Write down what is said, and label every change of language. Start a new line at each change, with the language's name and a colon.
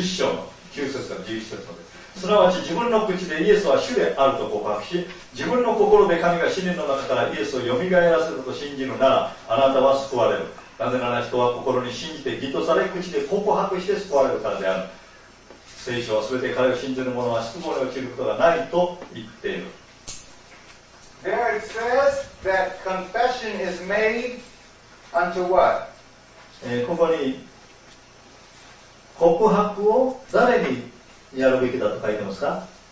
Japanese: 10章の9節から11節まで。すなわち自分の口でイエスは主であると告白し、自分の心で神が死人の中からイエスをよみがえらせると信じるなら、あなたは救われる。なぜなら人は心に信じて義とされ、口で告白して救われるからである。聖書はすべて彼を信じる者は失望に落ちることがないと言っている。
English: There it says that confession is made unto what?
Japanese: ここに告白を誰にやるべきだと書いてますか。